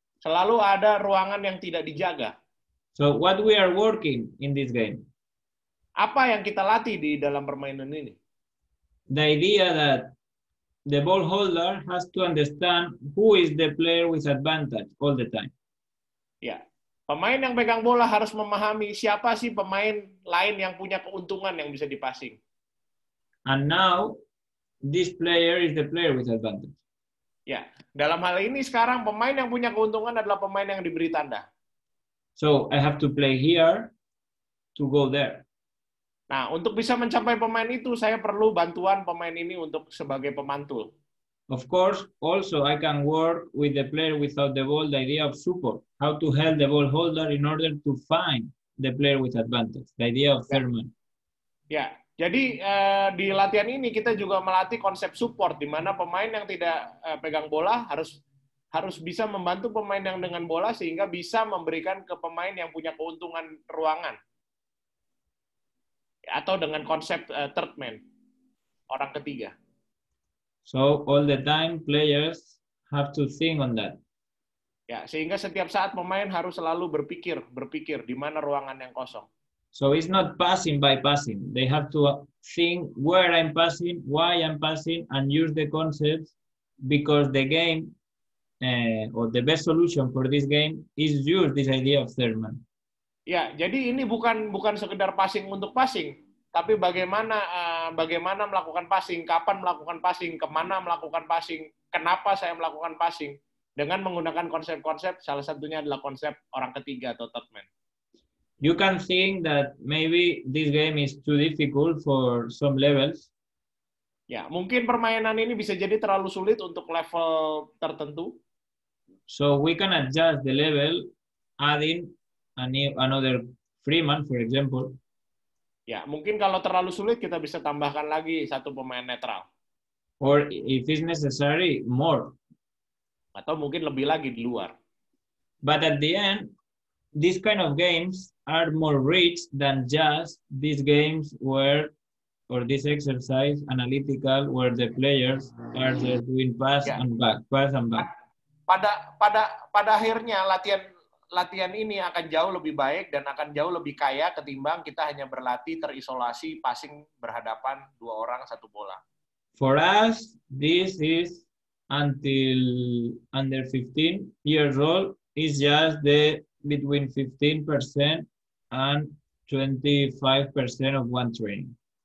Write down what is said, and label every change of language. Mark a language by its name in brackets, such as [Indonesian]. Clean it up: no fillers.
[Indonesian] Selalu ada ruangan yang tidak dijaga. [English] So what we are working in this game? [Indonesian] Apa yang kita latih di dalam permainan ini? [English] The idea that the ball holder has to understand who is the player with advantage all the time. [Indonesian] Ya, pemain yang pegang bola harus memahami siapa sih pemain lain yang punya keuntungan yang bisa dipassing. [English] And now, this player is the player with advantage. [Indonesian] Ya, dalam hal ini sekarang pemain yang punya keuntungan adalah pemain yang diberi tanda. [English] So, I have to play here to go there. [Indonesian] Nah, untuk bisa mencapai pemain itu, saya perlu bantuan pemain ini untuk sebagai pemantul. [English] Of course, also I can work with the player without the ball, the idea of support. How to help the ball holder in order to find the player with advantage. The idea of Thurman. [Indonesian] Ya, jadi di latihan ini kita juga melatih konsep support, di mana pemain yang tidak pegang bola harus bisa membantu pemain yang dengan bola sehingga bisa memberikan ke pemain yang punya keuntungan ruangan. Atau dengan konsep third man, orang ketiga. [English] So all the time players have to think on that. [Indonesian] Ya, sehingga setiap saat pemain harus selalu berpikir di mana ruangan yang kosong. [English] So it's not passing by passing. They have to think where I'm passing, why I'm passing, and use the concepts because the game or the best solution for this game is use this idea of Thurman. [Indonesian] Ya, jadi ini bukan sekedar passing untuk passing. Tapi bagaimana melakukan passing, kapan melakukan passing, kemana melakukan passing, kenapa saya melakukan passing, dengan menggunakan konsep-konsep, salah satunya adalah konsep orang ketiga atau third man. [English] You can think that maybe this game is too difficult for some levels. [Indonesian] Ya, mungkin permainan ini bisa jadi terlalu sulit untuk level tertentu. [English] So we can adjust the level, adding another Freeman, for example. [Indonesian] Ya, mungkin kalau terlalu sulit kita bisa tambahkan lagi satu pemain netral. [English] Or if it's necessary, more. [Indonesian] Atau mungkin lebih lagi di luar. [English] But at the end, these kind of games are more rich than just these games where, or this exercise, analytical, where the players are just doing pass yeah. and back, pass and back. [Indonesian] Pada akhirnya latihan ini akan jauh lebih baik dan akan jauh lebih kaya ketimbang kita hanya berlatih terisolasi passing berhadapan dua orang satu bola. [English] For us, this is until under 15 years old is just the between 15% and 25% of one training.